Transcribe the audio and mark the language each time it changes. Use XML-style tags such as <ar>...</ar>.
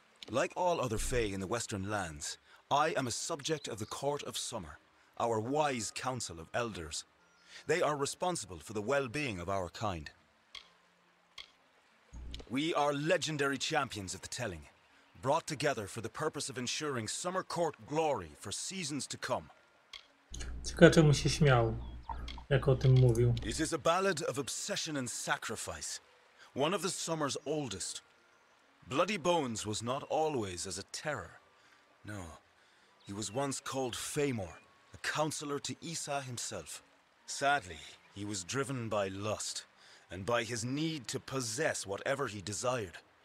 <en>Like all other fae in the Western lands, I am a subject of the Court of Summer, our wise council of elders. They are responsible for the well-being of our kind. We are legendary champions of the telling, brought together for the purpose of ensuring Summer Court glory for seasons to come.</en> <pl>Ciekawe, czemu się śmiał, jak o tym mówił.</pl> <en>It is a ballad of obsession and sacrifice, one of the summer's oldest. Bloody Bones was not always as a terror. No, he was once called Feymor, a counselor to Issa himself. Sadly, he was driven by lust and by his need to possess whatever he desired.</en>